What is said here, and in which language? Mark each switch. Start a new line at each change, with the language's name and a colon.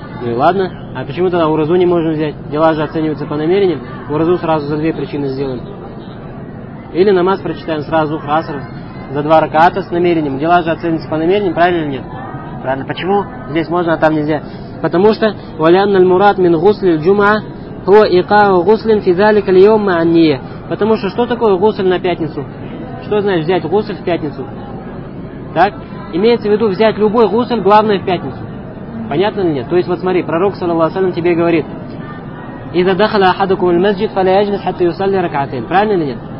Russian: Ну и ладно, а почему тогда уразу не можем взять? Дела же оцениваются по намерениям. Уразу сразу за две причины сделаем. Или намаз прочитаем сразу аср за два раката с намерением. Дела же оцениваются по намерениям, правильно или нет? Правильно. Почему здесь можно, а там нельзя? Потому что
Arabic: валянна аль-мурат мин гусли аль-джума هو إيقاع غسل في ذلك اليوم مع النية.
Russian: Потому что что такое гусль на пятницу? Что значит взять гусль в пятницу? Так? Имеется в виду взять любой гусль, главное в пятницу. Понятно ли нет? То есть вот смотри, пророк саллаллаху алейхи тебе говорит:
Arabic: إذا دخل أحدكم المسجد فلا يجلس حتى يصلي ركعتين.
Russian: Правильно ли нет?